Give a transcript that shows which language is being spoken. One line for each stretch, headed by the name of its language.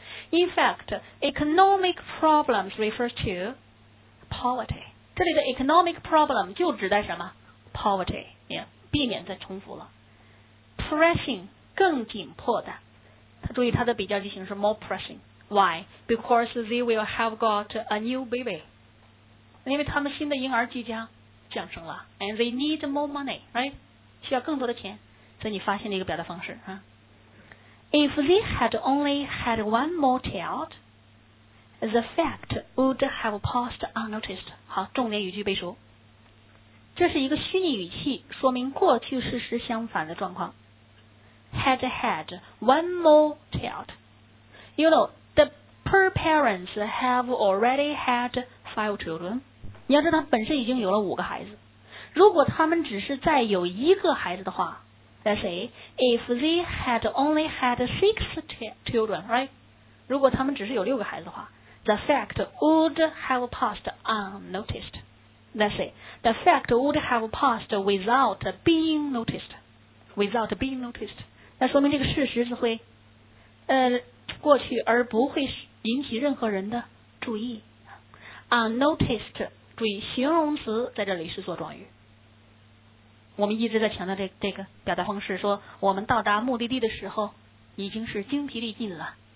English: In fact, economic problems refers to poverty.
Chinese: 这里的 economic problem 就指代什么？Poverty.
English: Yeah,
Chinese: 避免再重复了。
English: Pressing,
Chinese: 更紧迫的。注意它的比较句型是
English: more pressing. Why? Because they will have got a new baby.
Chinese: 因为他们新的婴儿即将降生了。
English: And they need more money, right?
Chinese: 需要更多的钱。所以你发现了一个表达方式，啊。
English: If they had only had one more child, the fact would have passed unnoticed.
Chinese: 好，重点语句背熟。这是一个虚拟语气，说明过去事实相反的状况。
English: Had had one more child. You know, the poor parents have already had five children.
Chinese: 你要知道，本身已经有了五个孩子。如果他们只是再有一个孩子的话，
English: Let's say, if they had only had six children, right?
Chinese: 如果他们只是有六个孩子的话，
English: the fact would have passed unnoticed. Let's say, the fact would have passed without being noticed. Without being noticed.
Chinese: 那说明这个事实是会过去而不会引起任何人的注意。 Unnoticed, 注意形容词在这里是做状语。我们一直在强调这个表达方式，说我们到达目的地的时候已经是精疲力尽了。